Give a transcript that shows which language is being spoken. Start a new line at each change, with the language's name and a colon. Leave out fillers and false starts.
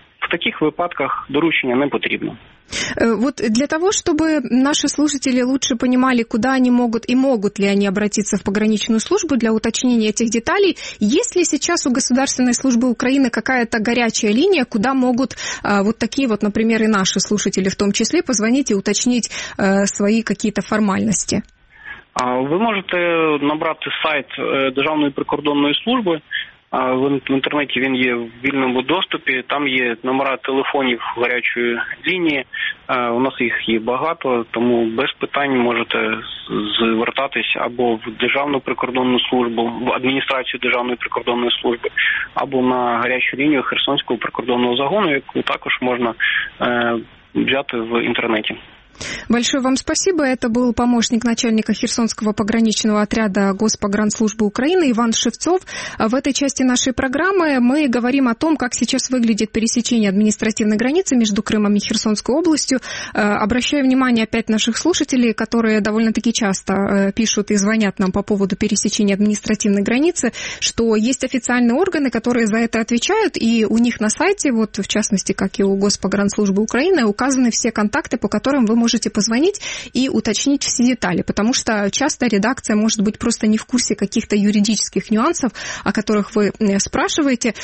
Ukrainian: В таких випадках доручення не потрібно.
Russian: Вот для того, чтобы наши слушатели лучше понимали, куда они могут и могут ли они обратиться в пограничную службу для уточнения этих деталей, есть ли сейчас у Государственной службы Украины какая-то горячая линия, куда могут вот такие вот, например, и наши слушатели в том числе позвонить и уточнить свои какие-то формальности? Вы можете набрать сайт Державної прикордонної служби.
Ukrainian: В інтернеті він є в вільному доступі, там є номера телефонів гарячої лінії, у нас їх є багато, тому без питань можете звертатись або в Державну прикордонну службу, в адміністрацію Державної прикордонної служби, або на гарячу лінію Херсонського прикордонного загону, яку також можна взяти в інтернеті.
Russian: Большое вам спасибо. Это был помощник начальника Херсонского пограничного отряда Госпогранслужбы Украины Иван Шевцов. В этой части нашей программы мы говорим о том, как сейчас выглядит пересечение административной границы между Крымом и Херсонской областью. Обращаю внимание опять наших слушателей, которые довольно-таки часто пишут и звонят нам по поводу пересечения административной границы, что есть официальные органы, которые за это отвечают, и у них на сайте, вот в частности, как и у Госпогранслужбы Украины, указаны все контакты, по которым вы можете позвонить и уточнить все детали, потому что часто редакция может быть просто не в курсе каких-то юридических нюансов, о которых вы спрашиваете.